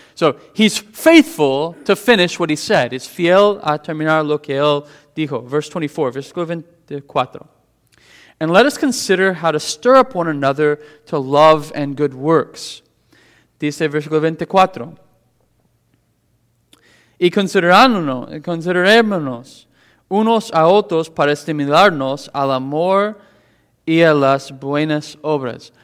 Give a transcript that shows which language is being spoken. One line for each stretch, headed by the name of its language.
English: So he's faithful to finish what he said.
Spanish: Es fiel a terminar lo que él dijo.
English: Verse 24,
Spanish: versículo 24.
English: And let us consider how to stir up one another to love and good works.
Spanish: Dice versículo 24. Y considerémonos unos a otros para estimularnos al amor y a las buenas obras.